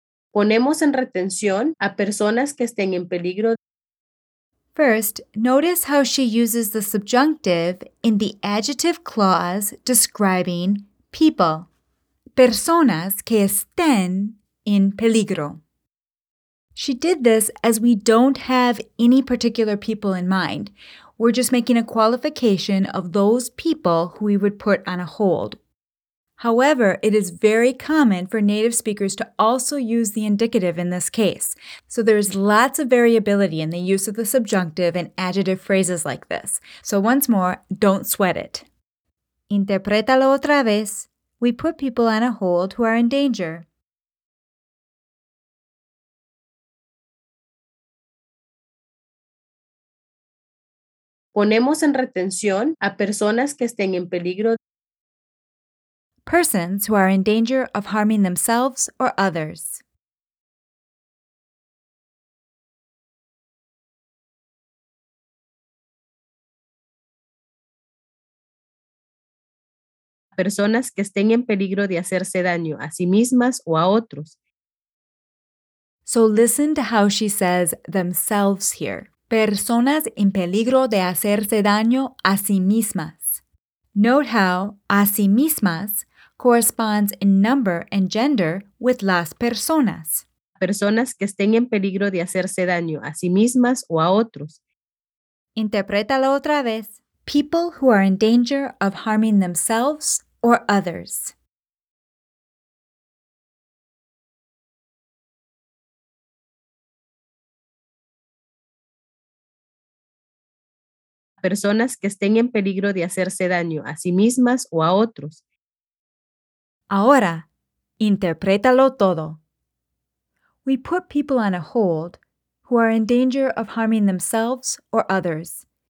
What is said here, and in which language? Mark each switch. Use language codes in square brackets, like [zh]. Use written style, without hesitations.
[es] Ponemos en retención a personas que estén en peligro. [en] First, notice how she uses the subjunctive in the adjective clause describing people. [es] Personas que estén en peligro. [en] She did this as we don't have any particular people in mind. We're just making a qualification of those people who we would put on a hold. However, it is very common for native speakers to also use the indicative in this case. So there's lots of variability in the use of the subjunctive and adjective phrases like this. So once more, don't sweat it. [es] Interprétalo otra vez. [en] We put people on a hold who are in danger. [es] Ponemos en retención a personas que estén en peligro. [en] Persons who are in danger of harming themselves or others. [es] Personas que estén en peligro de hacerse daño a sí mismas o a otros. [en] So listen to how she says themselves here. [es] Personas en peligro de hacerse daño a sí mismas. [en] Note how [es] a sí mismas [en] corresponds in number and gender with [es] las personas. Personas que estén en peligro de hacerse daño a sí mismas o a otros. Interprétalo otra vez. [en] People who are in danger of harming themselves or others. [es] Personas que estén en peligro de hacerse daño a sí mismas o a otros. Ahora, interprétalo todo. [en] We put people on a hold who are in danger of harming themselves or others.